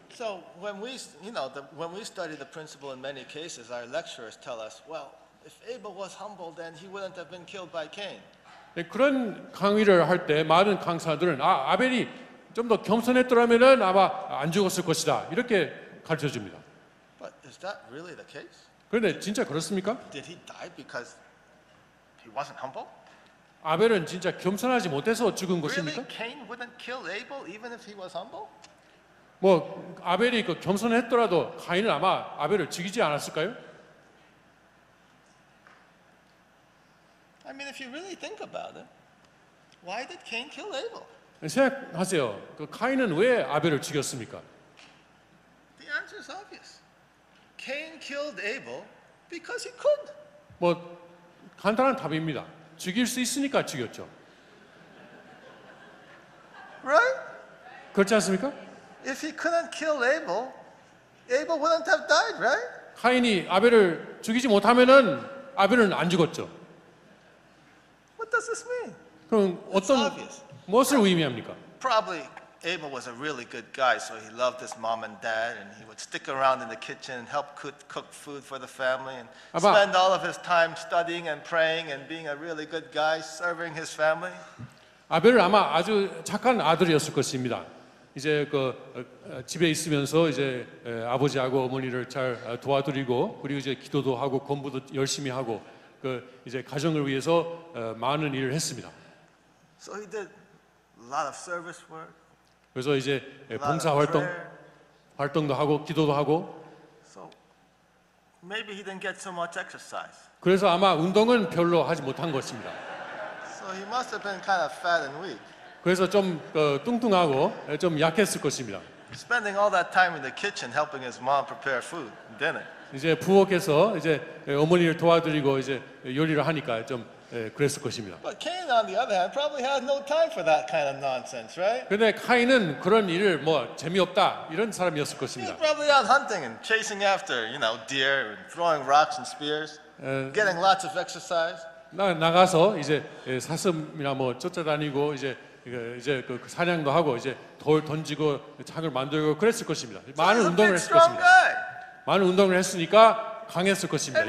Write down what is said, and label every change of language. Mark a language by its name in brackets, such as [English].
[English] So when we, you know, when we study the principle in many cases, our lecturers tell us, well, if Abel was humble, then he wouldn't have been killed by Cain. [Korean] 그런 강의를 할 때 많은 강사들은 아벨이 좀 더 겸손했더라면은 아마 안 죽었을 것이다 이렇게 가르쳐 줍니다. [English] But is that really the case? [Korean] 그런데 진짜 그렇습니까? [English] Did he die because he wasn't humble? [Korean] 아벨은 진짜 겸손하지 못해서 죽은 것입니까? [English] Really, Cain wouldn't kill Abel even if he was humble? [Korean] 뭐 아벨이 그 겸손했더라도 가인은 아마 아벨을 죽이지 않았을까요? [English] I mean, if you really think about it, why did Cain kill Abel? [Korean] 생각하세요. 그 가인은 왜 아벨을 죽였습니까? [English] The answer is obvious. Cain killed Abel because he could. [Korean] 뭐 간단한 답입니다. 죽일 수 있으니까 죽였죠. [English] Right? [Korean] 그렇지 않습니까? [English] If he couldn't kill Abel, Abel wouldn't have died, right? [Korean] 카인이 아벨을 죽이지 못하면은 아벨은 안 죽었죠. [English] What does this mean? [Korean] 그럼 어떤 무엇을 의미합니까? [English] Probably Abel was a really good guy, so he loved his mom and dad, and he would stick around in the kitchen and help cook food for the family, and spend all of his time studying and praying and being a really good guy, serving his family. [Korean] 아벨은 아마 아주 착한 아들이었을 것입니다. 이제 그 집에 있으면서 이제 아버지하고 어머니를 잘 도와드리고 그리고 이제 기도도 하고 공부도 열심히 하고 그 이제 가정을 위해서 많은 일을 했습니다. [English] So he did a lot of service work. [Korean] 그래서 이제 봉사 활동도 하고 기도도 하고. [English] So Maybe he didn't get so much exercise. [Korean] 그래서 아마 운동은 별로 하지 못한 것입니다. [English] So he must have been kind of fat and weak. [Korean] 그래서 좀 뚱뚱하고 좀 약했을 것입니다. [English] Spending all that time in the kitchen helping his mom prepare food and dinner. [Korean] 이제 부엌에서 이제 어머니를 도와드리고 이제 요리를 하니까 좀 그랬을 것입니다. [English] But Cain, on the other hand, probably had no time for that kind of nonsense, right? [Korean] 근데 카인은 그런 일을 뭐 재미없다 이런 사람이었을 것입니다. [English] He was probably out hunting and chasing after, you know, deer and throwing rocks and spears, getting lots of exercise. [Korean] 나가서 이제 사슴이나 뭐 쫓아다니고 이제 그 사냥도 하고 이제 돌 던지고 창을 만들고 그랬을 것입니다. 많은 운동을 했을 것입니다. 많은 운동을 했으니까 강했을 것입니다.